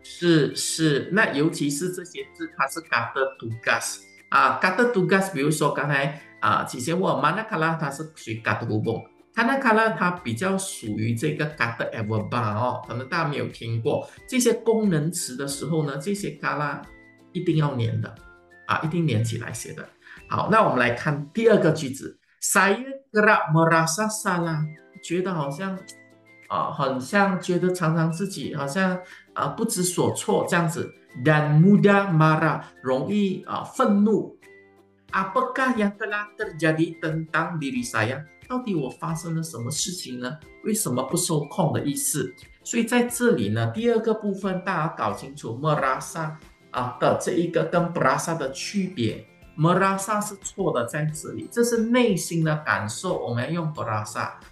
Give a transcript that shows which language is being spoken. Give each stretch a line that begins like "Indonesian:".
Chinese: 是，那尤其是这些字，它是
Malay: kata tugas kata tugas，
Chinese: 比如说刚才起先我 mana kala 它是属于
Malay: kata hubung，
Chinese: mana kala 它比较属于这个 kata everba 哦，可能大家没有听过这些功能词的时候呢，这些 kala 一定要粘的一定粘起来写的。好，那我们来看第二个句子，
Malay: saya kerap merasa salah，
Chinese: 觉得好像。很像觉得常常自己好像不知所措这样子，
Malay: dan mudah marah
Chinese: 容易愤怒。
Malay: Apakah yang telah terjadi tentang diri saya？
Chinese: 到底我发生了什么事情呢？为什么不受控的意思？所以在这里呢，第二个部分大家搞清楚 merasa 的这一个跟 berasa 的区别。 merasa 是错的在这里，这是内心的感受，我们要用 berasa。